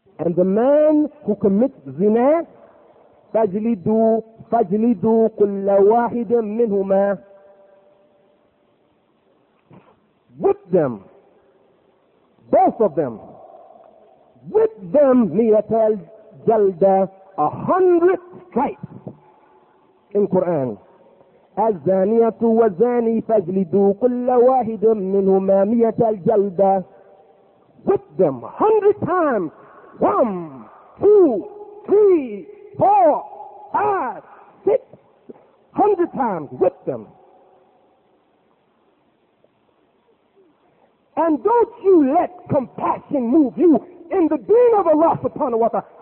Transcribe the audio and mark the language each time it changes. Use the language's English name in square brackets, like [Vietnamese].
[English] And the man who commits zina, [Arabic] فَجْلِدُوا كُلَّ وَاحِدٍ مِّنْهُمَا [English] with them, both of them, with them, miyatal jalda, 100 stripes in Quran. [Arabic] الزانيه والزاني فجلدوا كل واحد منهما مئه الجلده. [English] With them, 100 times, 1, 2, 3, 4, 5, 6, 100 times, with them. And don't you let compassion move you in the deen of Allah subhanahu wa ta'ala.